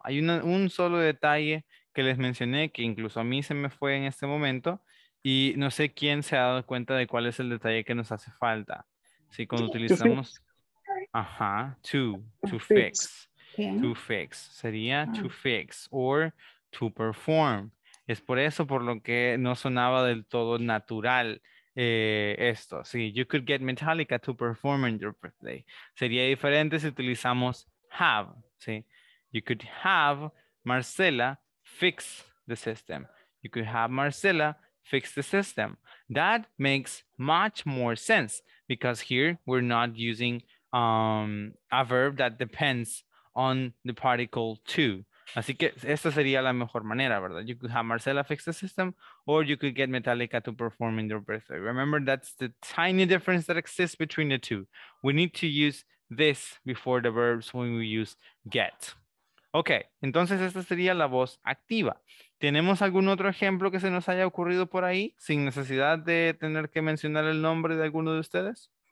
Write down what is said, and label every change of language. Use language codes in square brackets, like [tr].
[es] Hay un solo detalle que les mencioné que incluso a mí se me fue en este momento y no sé quién se ha dado cuenta de cuál es el detalle que nos hace falta. Sí, cuando utilizamos, [en] to fix, [es] sería [en] to fix or to perform. [es] Es por eso por lo que no sonaba del todo natural. Esto, sí, [en] you could get Metallica to perform on your birthday. [es] Sería diferente si utilizamos have, sí. [en] You could have Marcela fix the system. You could have Marcela fix the system. That makes much more sense because here we're not using a verb that depends on the particle to. [es] Así que esta sería la mejor manera, ¿verdad? [en] You could have Marcela fix the system or you could get Metallica to perform in their birthday. Remember, that's the tiny difference that exists between the two. We need to use this before the verbs when we use get. [es] Okay, entonces esta sería la voz activa. ¿Tenemos algún otro ejemplo que se nos haya ocurrido por ahí sin necesidad de tener que mencionar el nombre de alguno de ustedes?